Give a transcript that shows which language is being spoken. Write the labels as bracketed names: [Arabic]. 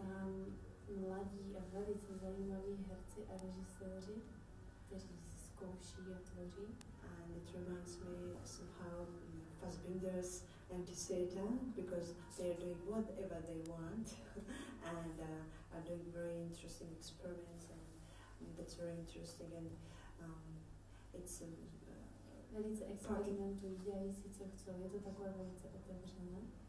[Czech] tam mladí a velice zajímaví herci a režiséři, kteří zkouší a tvoří. [English] And it reminds me somehow Fassbinder's Empty Theatre, because they're doing whatever they want and are doing very interesting experiments, and that's very interesting, and it's [Czech] velice experimentují, dělají si, co chcou. Je to takové velice otevřené.